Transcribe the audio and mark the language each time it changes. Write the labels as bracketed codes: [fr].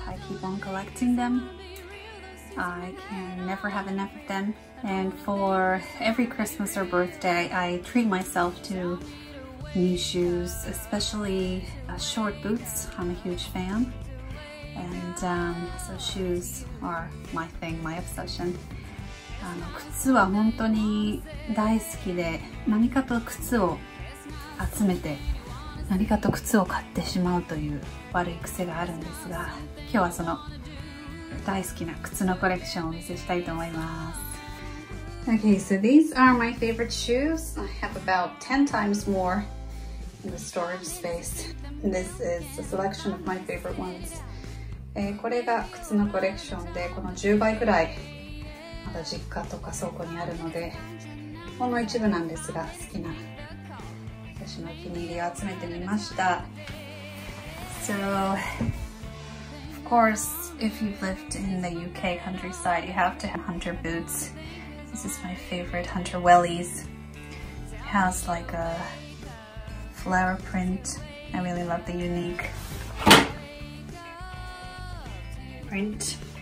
[en] I keep on collecting them. I can never have enough of them. And for every Christmas or birthday, I treat myself to new shoes, especially short boots. I'm a huge fan. And so shoes are my thing, my obsession. [ja] 靴は本当に大好きで、何かと靴を集めて何かと靴を買ってしまうという悪い癖があるんですが、今日はその大好きな靴のコレクションをお見せしたいと思います。 [en] Okay, so these are my favorite shoes. I have about 10 times more in the storage space. This is a selection of my favorite ones. [ja] これが靴のコレクションで、この10倍くらいまだ実家とか倉庫にあるので、ほんの一部なんですが、好きな私のお気に入りを集めてみました。 [en] So, of course, if you've lived in the UK countryside, you have to have hunter boots. This is my favorite, hunter wellies. It has like a flower print. I really love the unique print.